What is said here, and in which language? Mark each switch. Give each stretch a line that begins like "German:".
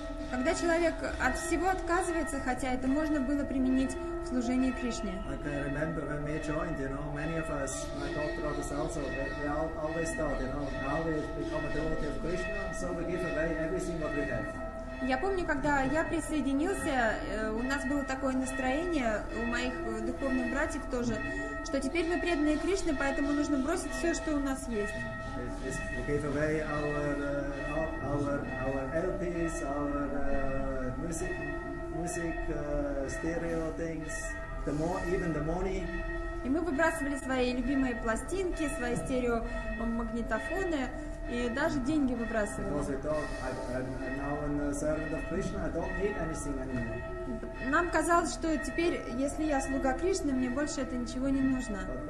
Russian: Когда человек от всего отказывается, хотя это можно было применить в служении Кришне.
English: Like I remember when we joined, you know, many of us, my doctor others also, we always thought, you know, now we become a devotee of Krishna, so we give away everything what we have.
Russian: Я помню, когда я присоединился, у нас было такое настроение, у моих духовных братьев тоже, что теперь мы преданные Кришне, поэтому нужно бросить все, что у нас есть.
English: We gave away our LPs, our music stereo things, even the money.
Russian: И мы выбрасывали свои любимые пластинки, свои стерео магнитофоны и даже деньги выбрасывали.
English: Because we thought, I'm now a servant of Krishna, I don't need anything anymore.
Russian: Нам казалось, что теперь, если я слуга Кришны, мне больше это ничего не нужно.